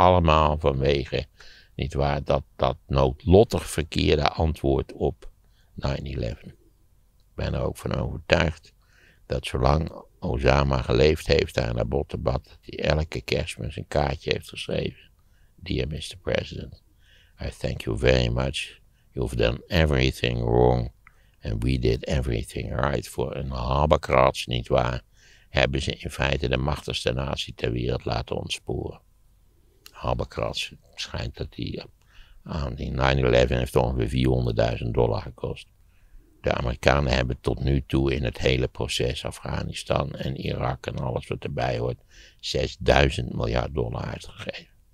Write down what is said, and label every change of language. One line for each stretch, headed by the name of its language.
Dutch: Allemaal vanwege, niet waar, dat noodlottig verkeerde antwoord op 9-11. Ik ben er ook van overtuigd dat zolang Osama geleefd heeft daar in Abbottabad, dat hij elke kerstmis een kaartje heeft geschreven.
English: Dear Mr. President, I thank you very much. You've done everything wrong. And we did everything right.
Dutch: Voor een habakrats, niet waar, hebben ze in feite de machtigste natie ter wereld laten ontsporen. Habakrats, schijnt dat die aan die 9-11 heeft ongeveer $400.000 gekost. De Amerikanen hebben tot nu toe in het hele proces Afghanistan en Irak en alles wat erbij hoort, $6.000 miljard uitgegeven.